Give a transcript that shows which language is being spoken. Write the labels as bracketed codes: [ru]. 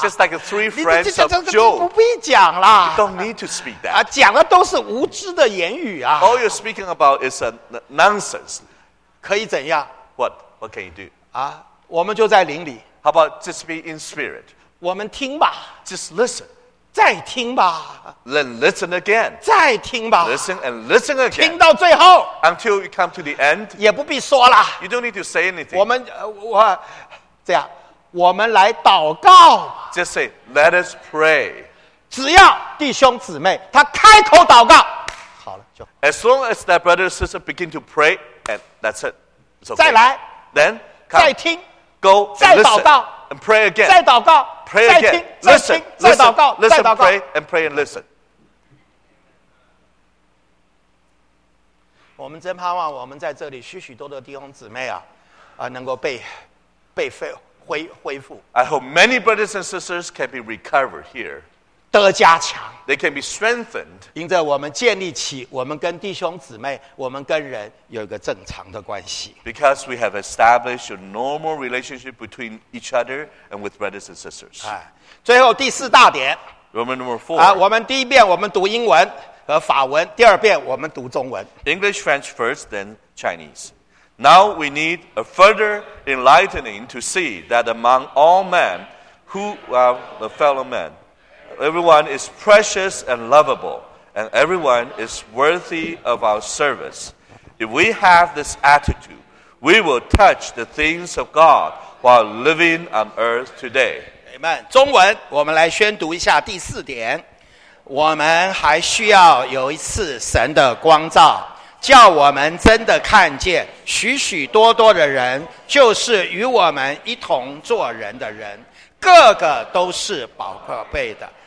[en] Just like three friends of Job. [zh] 不必讲啦。 [en] You don't need to speak that. [zh] 讲的都是无知的言语啊。 [en] All you're speaking about is a nonsense. [zh] 可以怎样 [en] ？What can you do? [zh] 我们就在灵里。 [en] How about just be in spirit? [zh] 我们听吧。 [en] Just listen. [zh] 再听吧。 [en] Then listen again. [zh] 再听吧。 [en] Listen and listen again. [zh] 听到最后。 [en] Until you come to the end. [zh] 也不必说了。 [en] You don't need to say anything. [zh] 我们我这样，我们来祷告。 [en] Just say, let us pray. [zh] 只要弟兄姊妹他开口祷告。 [en] As long as that brother or sister begin to pray, and that's it. It's okay. [zh] 再来, [en] then come, [zh] 再听, [en] go and listen, [zh] 再祷告, [en] and pray again. [zh] 再祷告, [en] pray again. [zh] 再听, [en] listen, [zh] 再听, 再祷告, [en] listen, pray, and pray and listen. [zh] 我们真盼望我们在这里许许多多弟兄姊妹啊, 能够被, 被恢, 恢, 恢复。 [en] I hope many brothers and sisters can be recovered here. [zh] 得加强 [en] They can be strengthened. [zh] 因着我们建立起我们跟弟兄姊妹我们跟人有一个正常的关系 [en] Because we have established a normal relationship between each other and with brothers and sisters. [zh] 最后第四大点 [en] Roman number four. [zh] 我们第一遍我们读英文和法文第二遍我们读中文 [en] English, French first, then Chinese. Now we need a further enlightening to see that among all men who are the fellow men,Everyone is precious and lovable, and everyone is worthy of our service. If we have this attitude, we will touch the things of God while living on earth today. Amen. [zh] 中文，我们来宣读一下第四点。我们还需要有一次神的光照，叫我们真的看见许许多多的人，就是与我们一同做人的人，个个都是宝贝的。